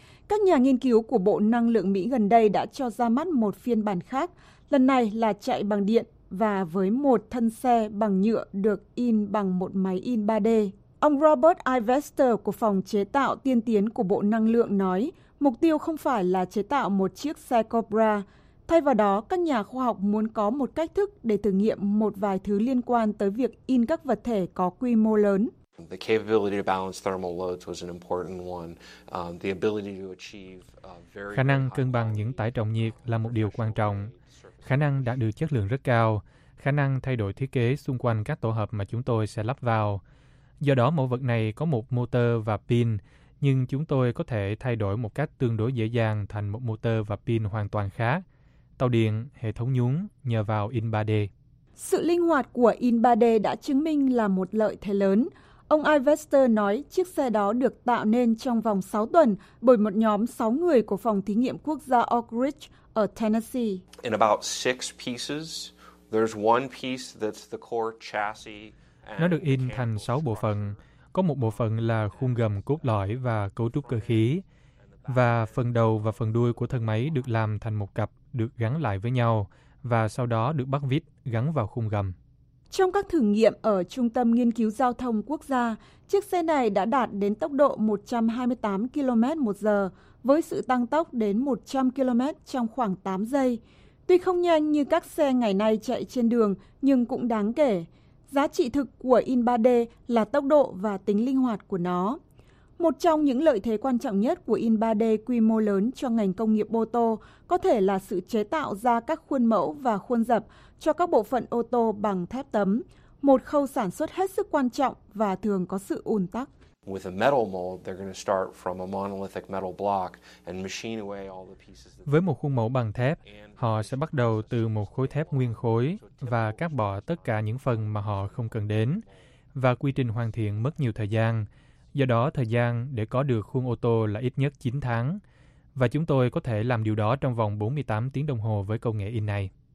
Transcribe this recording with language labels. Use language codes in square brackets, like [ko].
[vi] Các nhà nghiên cứu của Bộ Năng lượng Mỹ gần đây đã cho ra mắt một phiên bản khác, lần này là chạy bằng điện và với một thân xe bằng nhựa được in bằng một máy in 3D. Ông Robert Ivester của phòng chế tạo tiên tiến của Bộ Năng lượng nói, mục tiêu không phải là chế tạo một chiếc xe Cobra. Thay vào đó, các nhà khoa học muốn có một cách thức để thử nghiệm một vài thứ liên quan tới việc in các vật thể có quy mô lớn. [en] The capability to balance thermal loads was an important one. The ability to achieve very [vi] khả năng cân bằng những tải trọng nhiệt là một điều quan trọng. Khả năng đạt được chất lượng rất cao, khả năng thay đổi thiết kế xung quanh các tổ hợp mà chúng tôi sẽ lắp vào. Do đó, mẫu vật này có một motor và pin, nhưng chúng tôi có thể thay đổi một cách tương đối dễ dàng thành một motor và pin hoàn toàn khác, tàu điện, hệ thống nhún nhờ vào in 3D. Sự linh hoạt của in 3D đã chứng minh là một lợi thế lớn. Ông Ivester nói chiếc xe đó được tạo nên trong vòng 6 tuần bởi một nhóm 6 người của phòng thí nghiệm quốc gia Oak Ridge ở Tennessee. [en] In about 6 pieces, there's one piece that's the core chassis. [vi] Nó được in thành 6 bộ phận. Có một bộ phận là khung gầm cốt lõi và cấu trúc cơ khí. Và phần đầu và phần đuôi của thân máy được làm thành một cặp được gắn lại với nhau và sau đó được bắt vít gắn vào khung gầm. Trong các thử nghiệm ở Trung tâm Nghiên cứu Giao thông Quốc gia, chiếc xe này đã đạt đến tốc độ 128 km/h với sự tăng tốc đến 100 km trong khoảng 8 giây. Tuy không nhanh như các xe ngày nay chạy trên đường nhưng cũng đáng kể. Giá trị thực của in 3D là tốc độ và tính linh hoạt của nó. Một trong những lợi thế quan trọng nhất của in 3D quy mô lớn cho ngành công nghiệp ô tô có thể là sự chế tạo ra các khuôn mẫu và khuôn dập cho các bộ phận ô tô bằng thép tấm, một khâu sản xuất hết sức quan trọng và thường có sự ùn tắc. [en] With a metal mold, they're going to start from a monolithic metal block and machine away all the pieces. [vi] Với một khuôn mẫu bằng thép, họ sẽ bắt đầu từ một khối thép nguyên khối và cắt bỏ tất cả những phần mà họ không cần đến, và quy trình hoàn thiện mất nhiều thời gian. Do đó, thời gian để có được khuôn ô tô là ít nhất 9 tháng, và chúng tôi có thể làm điều đó trong vòng 48 tiếng đồng hồ với công nghệ in này.